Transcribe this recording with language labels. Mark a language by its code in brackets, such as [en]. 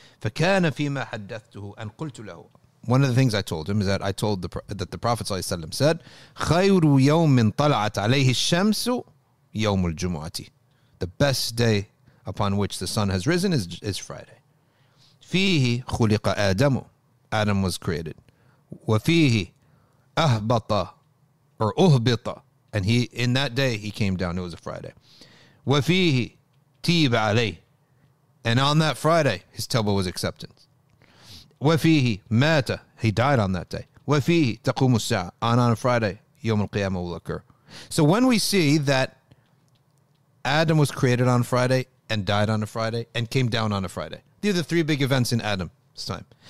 [ar] فَكَانَ فِيمَا حَدَّثْتُهُ أَنْ قُلْتُ لَهُ. [en] One of the things I told him is that I told that the Prophet said, [ar] خَيْرُ يَوْمٍ طَلَعَتْ عَلَيْهِ الشَّمْسُ يَوْمُ الْجُمُعَةِ. [en] The best day upon which the sun has risen is Friday. [ar] فِيهِ خُلِقَ آدَمُ. [en] Adam was created. [ar] وَفِيهِ أَهْبَطَ or أُهْبِطَ. [en] And he in that day he came down. It was a Friday. [ar] وَفِيهِ تِيبَ عَلَيْهِ. [en] And on that Friday, his tawbah was accepted. [ar] وَفِيهِ مَاتَ. [en] He died on that day. [ar] وَفِيهِ تَقُومُ السَّاعَ. [en] On Friday, يوم القيامة will occur. So when we see that Adam was created on Friday and died on a Friday and came down on a Friday, these are the three big events in Adam's time.